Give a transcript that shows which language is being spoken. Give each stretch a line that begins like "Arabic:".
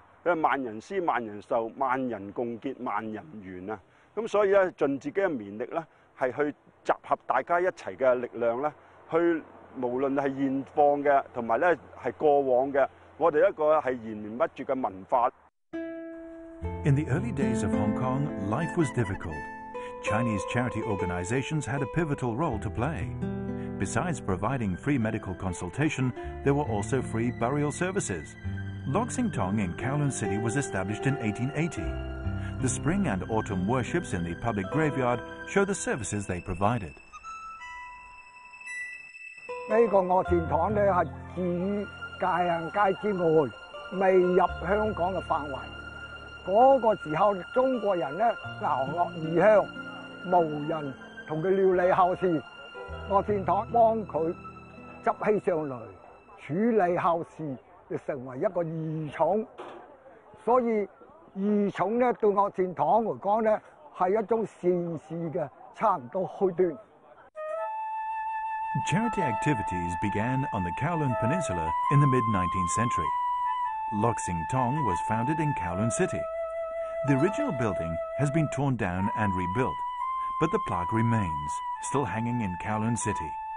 Cantonese: 因為萬人師、萬人授、萬人共結、萬人圓啊，咁所以咧盡自己嘅綿力咧，係去集合大家一齊嘅力量咧，去無論係現況嘅，同埋咧係過往嘅，我哋一個係延綿不絕嘅文化。
English: In the early days of Hong Kong, life was difficult. Chinese charity organizations had a pivotal role to play. Besides providing free medical consultation, there were also free burial services. Lok Sing Tong in Kowloon City was established in 1880. The spring and autumn worships in the public graveyard show the services they provided. This Lok Sing Tong is from the outside of Hong Kong, not yet in Hong Kong's area. At that time, Chinese people were leaving the land, no one was able to take care of them. Lok Sing Tong helped them to take care of them.
Cantonese: 就成為一個二重，所以二重咧對樂善堂嚟講咧係一種善事嘅差唔多開端。
English: Charity activities began on the Kowloon Peninsula in the mid-19th century. Lok Sing Tong was founded in Kowloon City. The original building has been torn down and rebuilt, but the plaque remains, still hanging in Kowloon City.